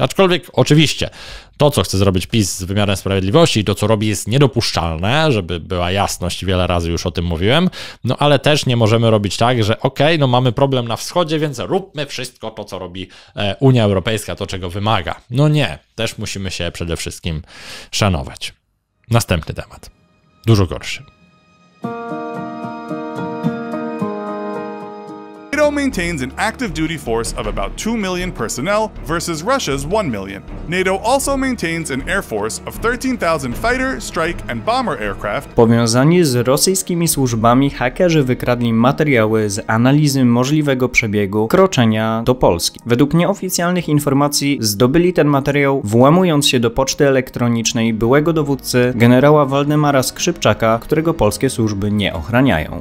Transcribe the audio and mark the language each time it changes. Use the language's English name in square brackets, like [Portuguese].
[Polish] Aczkolwiek, oczywiście, to co chce zrobić PiS z wymiarem sprawiedliwości i to co robi jest niedopuszczalne, żeby była jasność, wiele razy już o tym mówiłem, no ale też nie możemy robić tak, że okej, no mamy problem na wschodzie, więc róbmy wszystko to, co robi Unia Europejska, to czego wymaga. No nie, też musimy się przede wszystkim szanować. Następny temat, dużo gorszy. [English] NATO maintains an active duty force of about 2 million personnel versus Russia's 1 million. NATO also maintains an air force of 13,000 fighter, strike and bomber aircraft. [Polish] Powiązani z rosyjskimi służbami hakerzy wykradli materiały z analizy możliwego przebiegu kroczenia do Polski. Według nieoficjalnych informacji zdobyli ten materiał włamując się do poczty elektronicznej byłego dowódcy generała Waldemara Skrzypczaka, którego polskie służby nie ochraniają.